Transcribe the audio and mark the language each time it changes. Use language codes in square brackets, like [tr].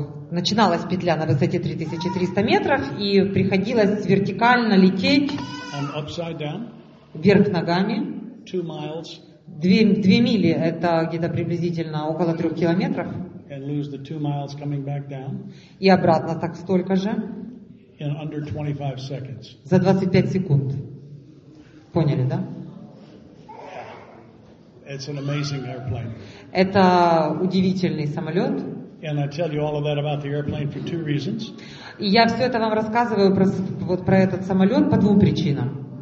[ru] Начиналась петля на высоте 3,300 метров и приходилось вертикально лететь. [en] I'm upside down. [ru] Вверх ногами. [en] 2 miles. [ru] Две мили, это где-то приблизительно около 3 километров. [en] And lose the 2 miles coming back down. [ru] И обратно так столько же. [en] In under 25 seconds. [ru] За 25 секунд. Поняли, да? [en] It's an amazing airplane. [ru] Это удивительный самолет. [en] And I tell you all of that about the airplane for 2 reasons. [ru] И я все это вам рассказываю про этот самолет по 2 причинам.